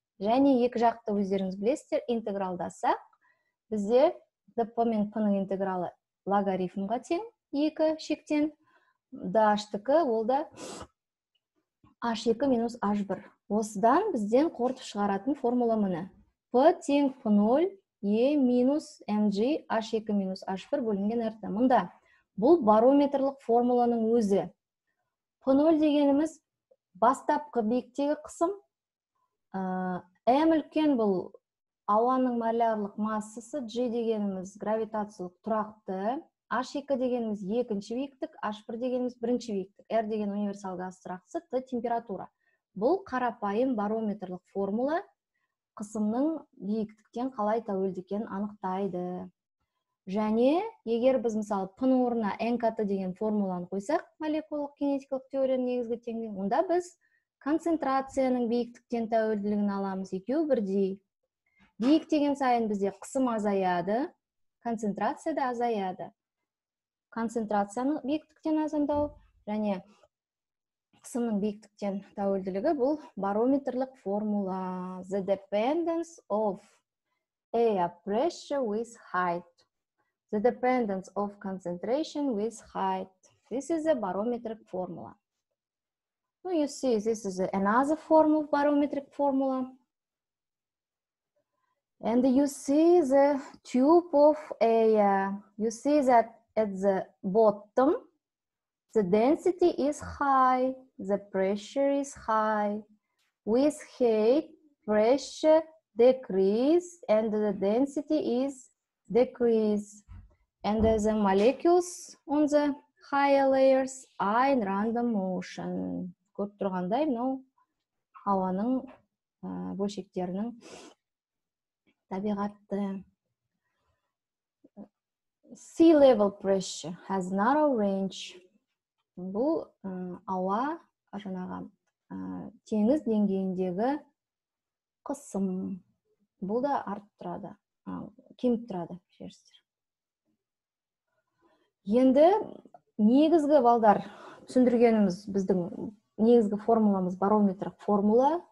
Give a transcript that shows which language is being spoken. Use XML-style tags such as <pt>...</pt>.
<kk>Және екі жақты өздеріңіз білесіздер, интегралдасақ, бізде DP мен P-ның интегралы логарифмға тең. Екі шектен, DH-тікі ол да h2 минус h1. Осыдан бізден қорытып шығаратын формула мұны. P тең P0 E минус mg h2 минус h1 бөлінген rt. Мұнда бұл барометрлік формуланың өзі. P0 дегеніміз бастапқы биіктегі қысым. M үлкен бұл ауаның малярлық массасы. G дегеніміз гравитациялық тұрақты. H2 дегеніміз екінші биіктік, H1 дегеніміз бірінші биіктік, R деген универсал газ тұрақтысы, T температура. Бұл қарапайым барометрлік формула қысымның биіктіктен қалай тәуелді екенін анықтайды. Және егер біз мысалы P орнына NKT деген формуланы қойсақ, молекулалық кинетикалық теорияның негізгі теңдігі, онда біз концентрацияның биіктіктен тәуелділігін аламыз екеуі бірдей. Биіктеген сайын бізде қысым азаяды, концентрация да азаяды. Концентрацияның биіктіктен азайтау және қысымның биіктіктен тәуелділігі бұл барометрлік формула.</kk> <en>The dependence of air pressure with height. The dependence of concentration with height. This is a barometric formula. Ну, you see, this is another form of barometric formula. And you see the tube of air. You see that at the bottom, the density is high, the pressure is high. With height, pressure decreases and the density is decreased. And the molecules on the higher layers are in random motion.</en> <kk>Көріп тұрғандай, мынау ауаның бөлшектерінің табиғаты.</kk> <en>Sea level pressure has narrow range.</en> <kk>Бұл ауа жаңағы теңіз деңгейіндегі қысым. Бұл да артып тұрады, кеміп тұрады. Енді негізгі балдар түсіндіргеніміз біздің негізгі формуламыз барометрлік формула.</kk>